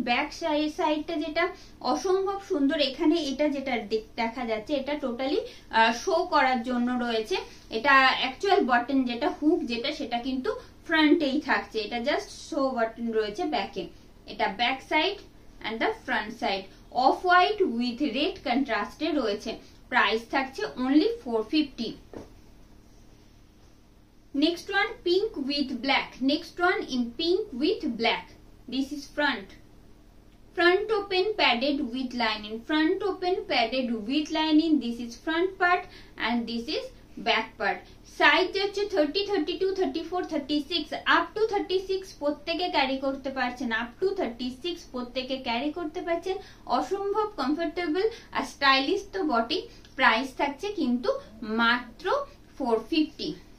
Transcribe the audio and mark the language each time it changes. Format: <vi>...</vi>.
<bn>Back সাইডটা যেটা অসম্ভব সুন্দর এখানে এটা যেটা দেখা যাচ্ছে এটা টোটালি শো করার জন্য রয়েছে. এটা অ্যাকচুয়াল বাটন যেটা হুক যেটা সেটা কিন্তু ফ্রন্টেই থাকছে. এটা জাস্ট শো বাটন রয়েছে ব্যাকে. এটা back side and the front side. Off white with red কন্ট্রাস্টে রয়েছে. প্রাইস থাকছে only 450.</bn> <en>Next one pink with black. Next one in pink with black. This is front. Front open padded with lining. Front open padded with lining. This is front part and this is back part.</en> <bn>Size হচ্ছে 30, 32, 34, 36. Up to 36 প্রত্যেকে carry করতে পারছেন. Up to 36 প্রত্যেকে carry করতে পারছেন. অসম্ভব comfortable আর stylish তো বটি. প্রাইস থাকছে কিন্তু মাত্র 450.</bn>